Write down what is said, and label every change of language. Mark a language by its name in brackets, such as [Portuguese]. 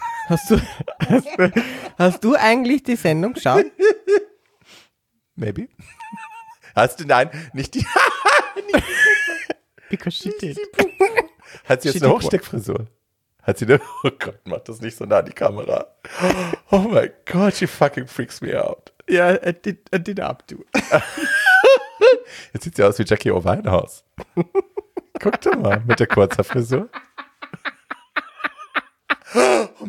[German] Hast du eigentlich die Sendung geschaut? Maybe. Hast du, nein, nicht die. [English] Because she did. [German] Hat sie jetzt eine Hochsteckfrisur? Hat sie eine, oh Gott, mach das nicht so nah an die Kamera. [English] Oh my God, she fucking freaks me out. Yeah, I did up to. [German] Jetzt sieht sie aus wie Jackie O. Winehouse. Guck doch mal, mit der kurzen Frisur. Oh